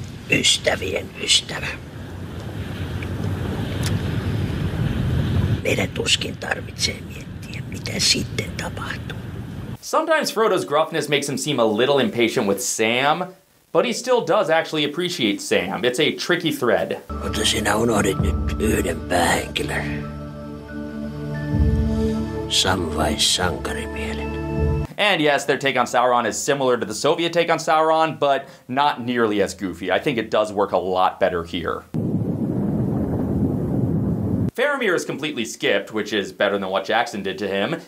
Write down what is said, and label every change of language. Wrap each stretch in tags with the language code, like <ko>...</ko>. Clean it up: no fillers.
<fi>Ystävien ystävä. Meidän tuskin tarvitsee miettiä, mitä sitten tapahtuu.</fi> <en>Sometimes Frodo's gruffness makes him seem a little impatient with Sam, but he still does actually appreciate Sam. It's a tricky thread.</en> <fi>Mutta sinä unohdit nyt yhden päähenkilön. Samwise sankarimielen.</fi> <en>And yes, their take on Sauron is similar to the Soviet take on Sauron, but not nearly as goofy. I think it does work a lot better here. Faramir is completely skipped, which is better than what Jackson did to him.</en>